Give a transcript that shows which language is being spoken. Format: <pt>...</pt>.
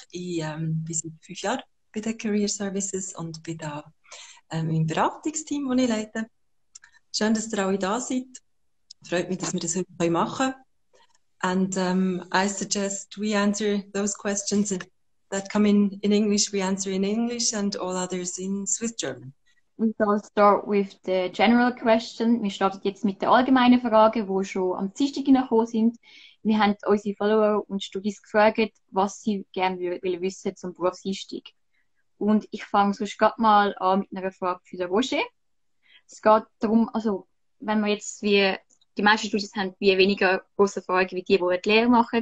<de>Ich bin seit 5 Jahren bei den Career Services und bin da im Beratungsteam, das ich leite. Schön, dass ihr alle da seid. Freut mich, dass wir das heute machen können.</de> <en>And I suggest we answer those questions that come in English. We answer in English and all others in Swiss German. We shall start with the general question.</en> <de>Wir starten jetzt mit der allgemeinen Frage, wo schon am Dienstag gekommen sind. Wir haben unsere Follower und Studis gefragt, was sie gerne will wissen zum Berufseinstieg. Und ich fange sonst gerade mal an mit einer Frage für den Roger. Es geht darum, also, wenn wir jetzt wie die meisten Studis haben, wie weniger große Fragen wie die, die Lehre machen.</de>